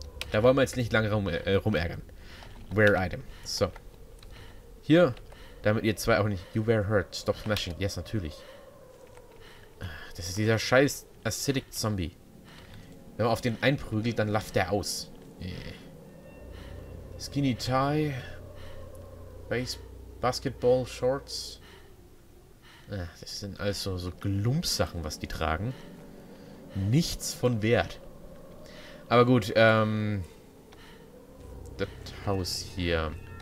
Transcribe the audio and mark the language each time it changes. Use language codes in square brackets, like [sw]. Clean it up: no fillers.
[de] Da wollen wir jetzt nicht lange rumärgern. Rare Item. So. Hier. Damit ihr zwei auch nicht... [en] You were hurt. Stop smashing. Yes, [de] natürlich. Das ist dieser scheiß Acidic Zombie. Wenn man auf den einprügelt, dann lafft der aus. [en] Yeah. Skinny Tie. Base Basketball Shorts. [de] Das sind alles so Glumpsachen, was die tragen. Nichts von Wert. Aber gut, das Haus hier...